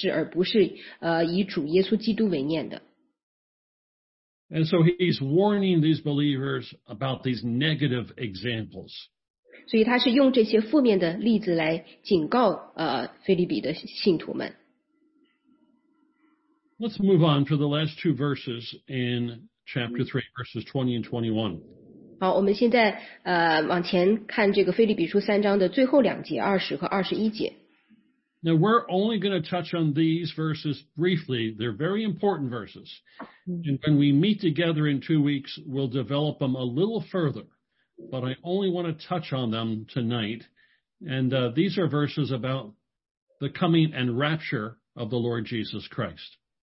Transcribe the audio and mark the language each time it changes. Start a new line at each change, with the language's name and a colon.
Chinese: 保罗说他们的问题呢，就在于他们的心思意念啊，都还在思想着地上的事，而不是以主耶稣基督为念的。
English: And so he's warning these believers about these negative examples.
Chinese: 所以他是用这些负面的例子来警告腓立比的信徒们。
English: Let's move on to the last two verses in chapter 3, verses 20 and 21.
Chinese: 好，我们现在往前看这个腓立比书三章的最后两节，20和21节。
English: Now we're only going to touch on these verses briefly. They're very important verses. And when we meet together in 2 weeks, we'll develop them a little further. But I only want to touch on them tonight. And these are verses about the coming and rapture of the Lord Jesus Christ.